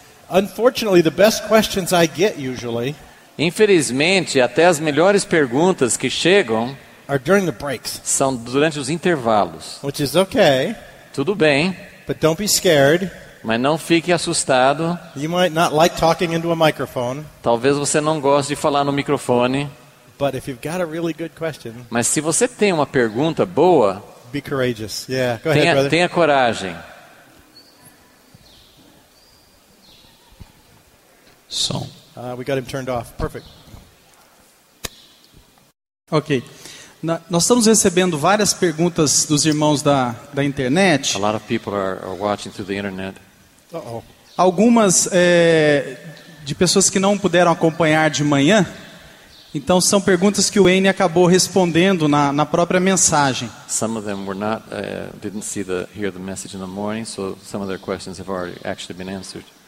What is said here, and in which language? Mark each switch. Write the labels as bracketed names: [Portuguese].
[English] Unfortunately, the best questions I get usually, [Portuguese] infelizmente, até as melhores perguntas que chegam [English] are during the breaks, [Portuguese] são durante os intervalos. [English] Which is okay, [Portuguese] tudo bem. [English] But don't be scared. [Portuguese] Mas não fique assustado. [English] You might not like talking into a microphone. [Portuguese] Talvez você não goste de falar no microfone. [English] But if you've got a really good question, [Portuguese] mas se você tem uma pergunta boa, [English] be courageous. Yeah, go [Portuguese] tenha, [English] ahead, [Portuguese] tenha coragem. Som. [English] We got him turned off. Perfect. Ok. [Portuguese] Nós estamos recebendo várias perguntas dos irmãos da internet. [English] A lot of people are watching through the internet. Uh-oh. [Portuguese] Algumas de pessoas que não puderam acompanhar de manhã. Então são perguntas que o Wayne acabou respondendo na própria mensagem. [English] Some of them were not didn't see the hear the message in the morning, so some of their questions have already actually been answered.